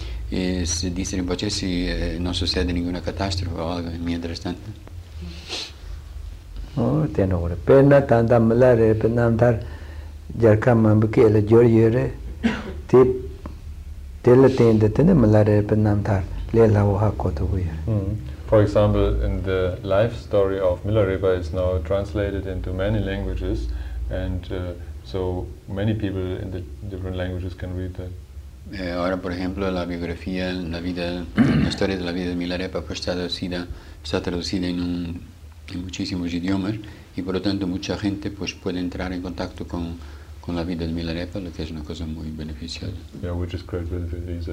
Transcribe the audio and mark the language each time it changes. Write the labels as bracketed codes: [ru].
[es] Y se dice en Boche si no sucede ninguna catástrofe o algo mientras tanto. Oh, tiene ahora. Pena tanta malare, pena andar, ya que me han que la lloré, te la tiende, tiene malare, pena andar, le la hoja cota voy a. [en] For example, in the life story of Milarepa is now translated into many languages, and so many people in the different languages can read that. [es] Ahora, por ejemplo, la biografía, la vida, la historia de la vida de Milarepa pues, está traducida en muchísimos idiomas y por lo tanto mucha gente pues puede entrar en contacto con la vida de Milarepa, lo que es una cosa muy beneficiosa. [en] Yeah, which is great benefit.